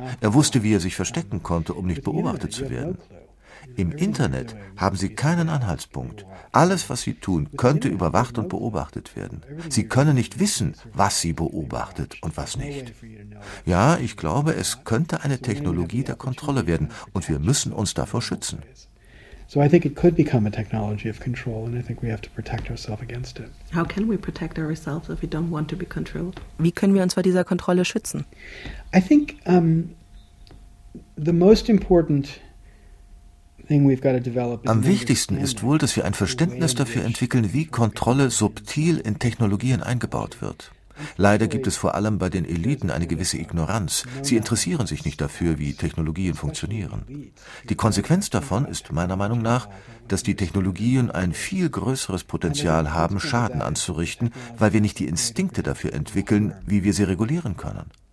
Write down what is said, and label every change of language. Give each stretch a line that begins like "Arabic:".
German: Er wusste, wie er sich verstecken konnte, um nicht beobachtet zu werden. Im Internet haben Sie keinen Anhaltspunkt. Alles, was Sie tun, könnte überwacht und beobachtet werden. Sie können nicht wissen, was Sie beobachtet und was nicht. Ja, ich glaube, es könnte eine Technologie der Kontrolle werden und wir müssen uns davor schützen.
English: So I think it could become a technology of control and I think we have to protect ourselves against it. How can we protect ourselves if we don't want to be controlled?
German: Wie können wir uns vor dieser Kontrolle schützen?
English: I think the most important
German: Am wichtigsten ist wohl, dass wir ein Verständnis dafür entwickeln, wie Kontrolle subtil in Technologien eingebaut wird. Leider gibt es vor allem bei den Eliten eine gewisse Ignoranz. Sie interessieren sich nicht dafür, wie Technologien funktionieren. Die Konsequenz davon ist meiner Meinung nach, dass die Technologien ein viel größeres Potenzial haben, Schaden anzurichten, weil wir nicht die Instinkte dafür entwickeln, wie wir sie regulieren können.